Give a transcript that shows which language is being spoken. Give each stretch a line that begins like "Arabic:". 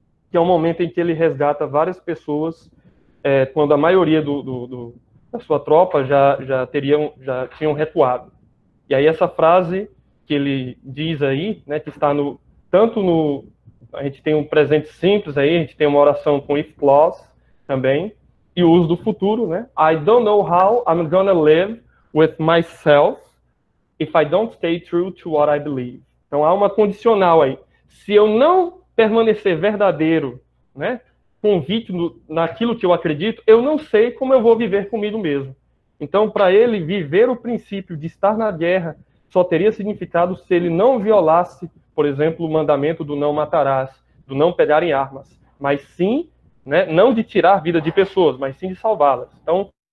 Portuguese: Que é o momento em que ele resgata várias pessoas, quando a maioria da sua tropa já tinham recuado. E aí essa frase que ele diz aí, né, que está no tanto no... A gente tem um presente simples aí, a gente tem uma oração com if clause também, e o uso do futuro, né?
English: I don't know how I'm gonna live with myself if I don't stay true to what I believe.
Portuguese: Então há uma condicional aí. Se eu não permanecer verdadeiro, né, convicto naquilo que eu acredito, eu não sei como eu vou viver comigo mesmo. Então, para ele, viver o princípio de estar na guerra só teria significado se ele não violasse, por exemplo, o mandamento do não matarás, do não pegar em armas, mas sim, né, não de tirar a vida de pessoas, mas sim de salvá-las. Então,